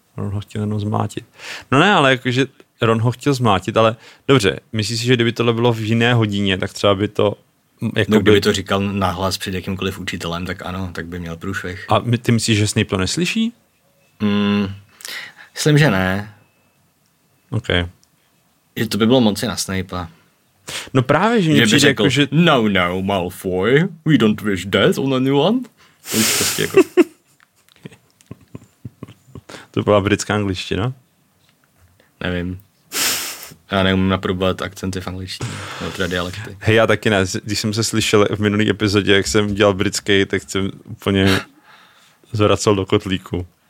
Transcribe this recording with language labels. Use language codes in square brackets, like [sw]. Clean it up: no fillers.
[cs] Ron ho chtěl jenom zmátit. No ne, ale jakože Ron ho chtěl zmátit, ale dobře, myslíš si, že kdyby tohle bylo v jiné hodině, tak třeba by to... Jako no, kdyby to říkal nahlas před jakýmkoliv učitelem, tak ano, tak by měl průšvih. A ty myslíš, že Snape to neslyší? Myslím, že ne. [en] Okay. [cs] Že to by bylo moc na Snape'a. No právě, že mi přijde řekl, jako, že... [en] No, no, Malfoy, we don't wish death on anyone. [cs] To je prostě jako... To byla britská angličtina? Nevím. Já neumím naprobovat akcenty v angličtině, nebo teda dialekty. Hej, já taky ne. Když jsem se slyšel v minulý epizodě, jak jsem dělal britský, tak jsem úplně zvracel do kotlíku.